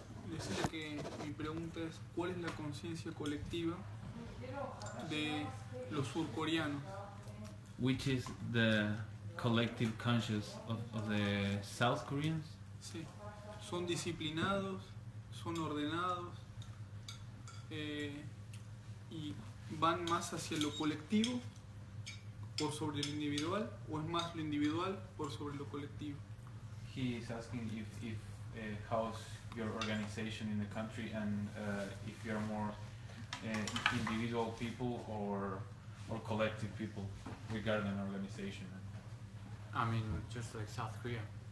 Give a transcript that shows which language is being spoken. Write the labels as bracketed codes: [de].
[es] Decirle que mi pregunta es, ¿cuál es la conciencia colectiva de los surcoreanos? [en] Which is the collective conscience of the South Koreans? [es] Sí. Son disciplinados, son ordenados, y van más hacia lo colectivo por sobre lo individual, o es más lo individual por sobre lo colectivo. [en] He is asking if how's your organization in the country, and if you're more individual people or collective people regarding organization. I mean, just like South Korea.